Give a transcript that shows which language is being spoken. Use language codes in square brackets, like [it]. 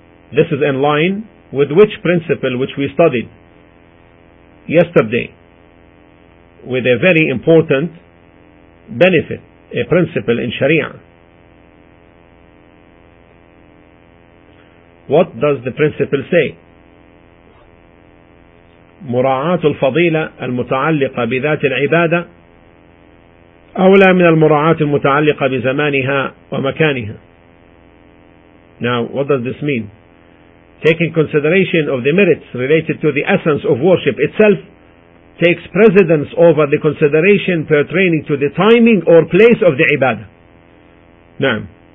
[en] This is in line with which principle which we studied yesterday, with a very important benefit, a principle in Sharia. What does the principle say? [ar] مراعات الفضيلة المتعلقة بذات العبادة أولى من المراعات المتعلقة بزمانها ومكانها. [en] Now, what does this mean? Taking consideration of the merits related to the essence of worship itself takes precedence over the consideration pertaining to the timing or place of the ibadah. Naam.